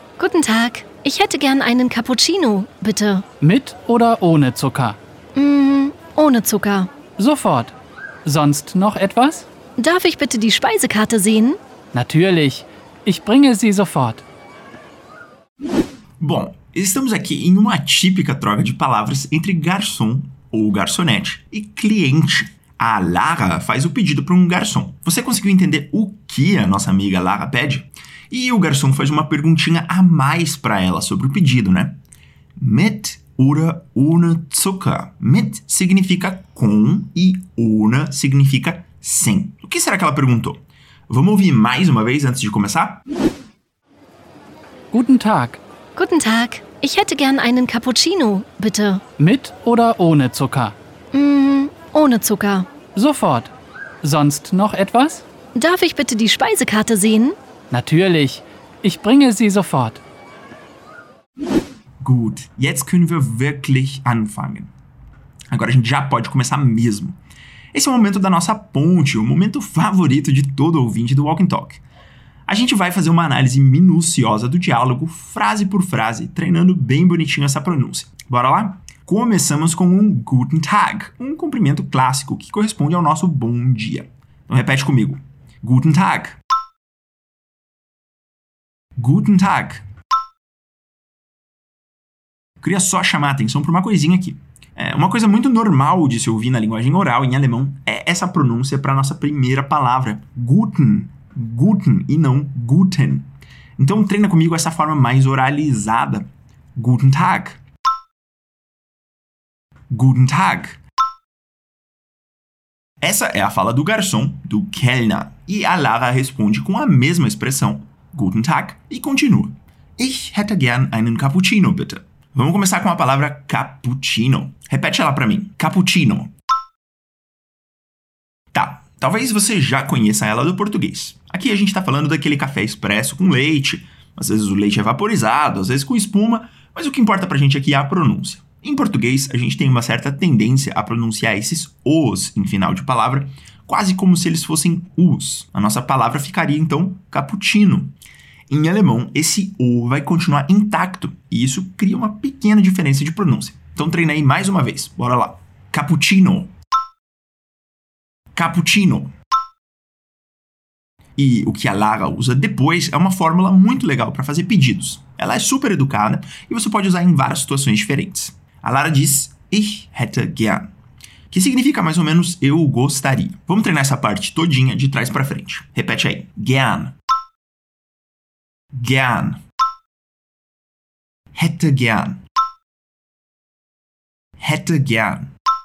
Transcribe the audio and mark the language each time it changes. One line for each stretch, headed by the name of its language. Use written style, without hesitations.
German: Guten Tag, ich hätte gern einen Cappuccino, bitte. Mit oder ohne Zucker? Ohne Zucker. Sofort. Sonst noch etwas? Darf ich bitte die Speisekarte sehen? Natürlich, ich bringe sie sofort.
Portuguese: Bom, estamos aqui em uma típica troca de palavras entre garçom ou garçonete e cliente. A Lara faz o pedido para garçom. Você conseguiu entender o que a nossa amiga Lara pede? E o garçom faz uma perguntinha a mais para ela sobre o pedido, né? Mit oder ohne Zucker? Mit significa com e ohne significa sem. O que será que ela perguntou? Vamos ouvir mais uma vez antes de começar?
German: Guten Tag. Guten Tag. Ich hätte gern einen Cappuccino, bitte. Mit oder ohne Zucker? Ohne Zucker. Sofort. Sonst noch etwas? Darf ich bitte die Speisekarte sehen? Natürlich. Ich bringe sie sofort. Gut, jetzt können wir wirklich anfangen.
Portuguese: Agora a gente já pode começar mesmo. Esse é o momento da nossa ponte, o momento favorito de todo ouvinte do Walk and Talk. A gente vai fazer uma análise minuciosa do diálogo, frase por frase, treinando bem bonitinho essa pronúncia. Bora lá? Começamos com Guten Tag, cumprimento clássico que corresponde ao nosso bom dia. Então repete comigo. Guten Tag.
German: Guten Tag.
Portuguese: Eu queria só chamar a atenção para uma coisinha aqui. Uma coisa muito normal de se ouvir na linguagem oral em alemão é essa pronúncia para a nossa primeira palavra. Guten. Guten e não Guten. Então treina comigo essa forma mais oralizada. Guten Tag.
German: Guten Tag.
Portuguese: Essa é a fala do garçom, do Kellner. E a Lara responde com a mesma expressão. Guten Tag, e continua.
German: Ich hätte gern einen Cappuccino, bitte.
Portuguese: Vamos começar com a palavra cappuccino. Repete ela para mim. Cappuccino. Tá, talvez você já conheça ela do português. Aqui a gente está falando daquele café expresso com leite. Às vezes o leite é vaporizado, às vezes com espuma. Mas o que importa para a gente aqui é a pronúncia. Em português, a gente tem uma certa tendência a pronunciar esses os em final de palavra, quase como se eles fossem us. A nossa palavra ficaria, então, cappuccino. Em alemão, esse o vai continuar intacto, e isso cria uma pequena diferença de pronúncia. Então treina aí mais uma vez. Bora lá. Cappuccino. Cappuccino. E o que a Lara usa depois é uma fórmula muito legal para fazer pedidos. Ela é super educada e você pode usar em várias situações diferentes. A Lara diz, ich hätte gern. Que significa mais ou menos eu gostaria. Vamos treinar essa parte todinha de trás para frente.
German: Repete aí. Gern. Gern. Hätte gern. Hätte gern.